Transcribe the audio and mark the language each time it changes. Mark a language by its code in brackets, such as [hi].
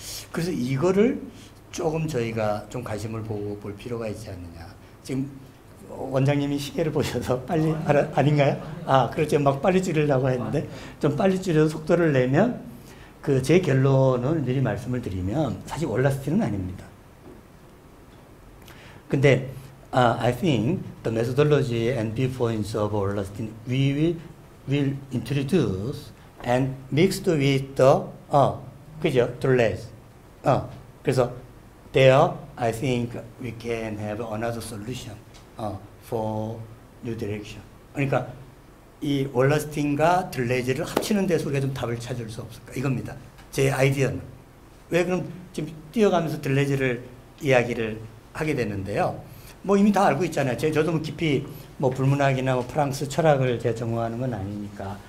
[ko] 그래서 이거를 조금 저희가 좀 관심을 보고 볼 필요가 있지 않느냐. 지금 원장님이 시계를 보셔서 빨리 아닌가요? 아, 그렇죠. 막 빨리 줄이려고 했는데 좀 빨리 줄여서 속도를 내면 그 제 결론을 미리 말씀을 드리면 사실 월라스틴은 아닙니다. 근데 [en] I think the methodology and viewpoints of Wallerstein we will introduce and mixed with the [ko] 그죠? [en] Deleuze. [ko] 그래서 [en] There, I think we can have another solution for new direction. [ko] 그러니까 이 월라스틴과 들레즈를 합치는 데서 우리가 좀 답을 찾을 수 없을까? 이겁니다. 제 아이디어는. 왜 그럼 지금 뛰어가면서 들레즈를 이야기를 하게 되는데요. 뭐 이미 다 알고 있잖아요. 저도 뭐 깊이 뭐 불문학이나 뭐 프랑스 철학을 제가 전공하는 건 아니니까.